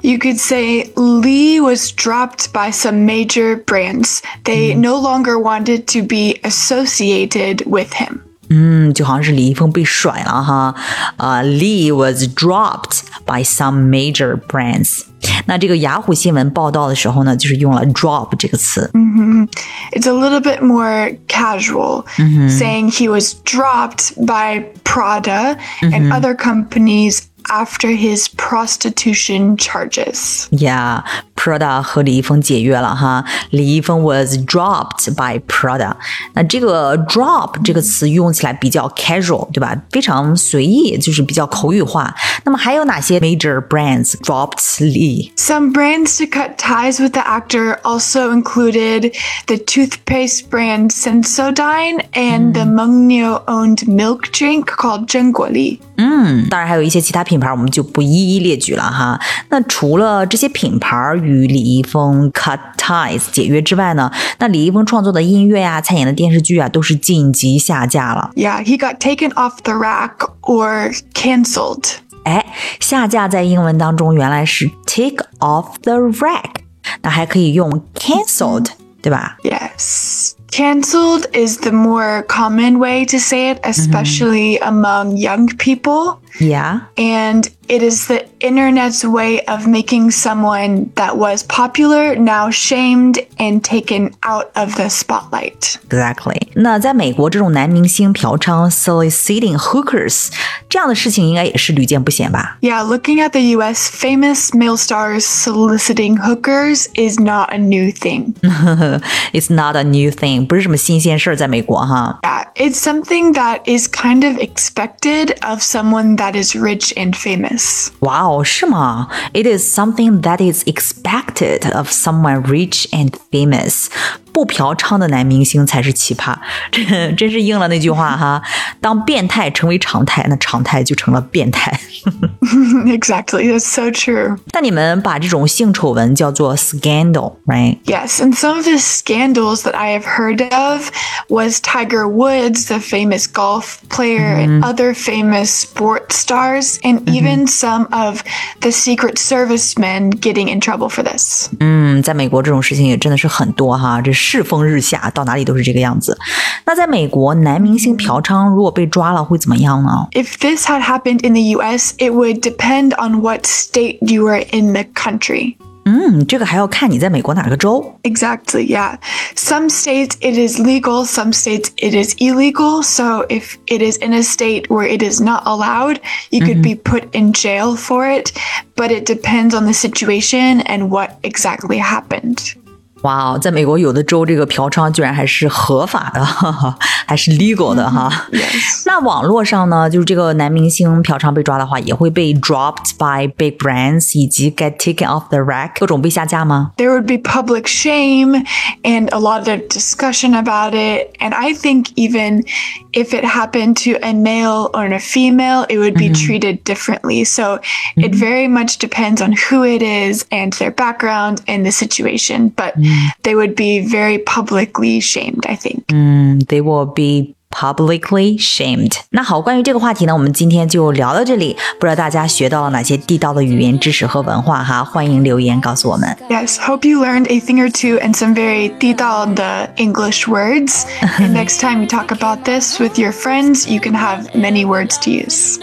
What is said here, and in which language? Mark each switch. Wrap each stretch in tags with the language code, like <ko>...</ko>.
<en>You could say Li was dropped by some major brands. They no longer wanted to be associated with him.</en> <zh>就好像是李易峰被甩了哈。</zh> <en>Li was dropped by some major brands.</en> <zh>那这个雅虎新闻报道的时候呢，就是用了 drop 这个词。</zh> <en>It's a little bit more casual,、mm-hmm. saying he was dropped by Prada and other companies after his prostitution charges.</en> <zh>Yeah, Prada 和李易峰解约了哈。</zh> <en>李易峰 was dropped by Prada.</en> <zh>那这个 drop 这个词用起来比较 casual, 对吧？非常随意，就是比较口语化。</zh> <en>那么还有哪些 major brands dropped Li? Some brands to cut ties with the actor also included the toothpaste brand Sensodyne and the Mengniu-owned milk drink called 真果粒。</en> <zh>当然还有一些其他品牌我们就不一一列举了哈。那除了这些品牌与李易峰</zh> <en>cut ties</en> <zh>解约之外呢，那李易峰创作的音乐啊，参演的电视剧啊，都是紧急下架了。</zh> <en>Yeah, he got taken off the rack or cancelled.</en> <zh>哎，下架在英文当中原来是</zh> <en>take off the rack，</en> <zh>那还可以用 cancelled，对吧</zh> <en>？Yes. Cancelled is the more common way to say it, especially among young people. Yeah. And it is the internet's way of making someone that was popular now shamed and taken out of the spotlight. Exactly.</en> <zh>那在美国这种男明星嫖娼</zh> <en>soliciting hookers,</en> <zh>这样的事情应该也是屡见不鲜吧</zh> <en>Yeah, looking at the US, famous male stars soliciting hookers is not a new thing. It's not a new thing.</en> <zh>不是什么新鲜事儿，在美国哈。</zh> <en>Yeah, it's something that is kind of expected of someone that is rich and famous. Wow,</en> <zh>是吗</zh> <en>？It is something that is expected of someone rich and famous.</en> <zh>不嫖娼的男明星才是奇葩，真是应了那句话哈。当变态成为常态，那常态就成了变态。</zh> <en>Exactly, that's so true.</en> <zh>但你们把这种性丑闻叫做 scandal,</zh> <en>right? Yes, and some of the scandals that I have heard of was Tiger Woods, the famous golf player, and other famous sports stars, and even some of the Secret Service men getting in trouble for this.</en> <zh>在美国这种事情也真的是很多哈，这世风日下，到哪里都是这个样子。那在美国，男明星嫖娼如果被抓了会怎么样呢？</zh> <en>If this had happened in the US, it would depend on what state you were in the country.</en> <zh>这个还要看你在美国哪个州。</zh> <en>Exactly, yeah. Some states it is legal, some states it is illegal. So if it is in a state where it is not allowed, you could be put in jail for it. But it depends on the situation and what exactly happened.</en> <zh>Wow, 在美国有的州这个嫖娼居然还是合法的，还是 legal 的哈。</zh> <en>Yes.</en> <zh>那网络上呢，就是这个男明星嫖娼被抓的话，也会被</zh> <en>dropped by big brands</en> <zh>以及</zh> <en>get taken off the rack</en> <zh>各种被下架吗？</zh> <en>There would be public shame and a lot of discussion about it. And I think even if it happened to a male or a female, it would be treated differently. So it very much depends on who it is and their background and the situation. But they would be very publicly shamed, I think. They will be publicly shamed.</en> <zh>那好，关于这个话题呢，我们今天就聊到这里。不知道大家学到了哪些地道的语言知识和文化哈？欢迎留言告诉我们。</zh> <en>Yes, hope you learned a thing or two and some very</en> <zh>地道的</zh> <en>English words. And next time you talk about this with your friends, you can have many words to use.</en>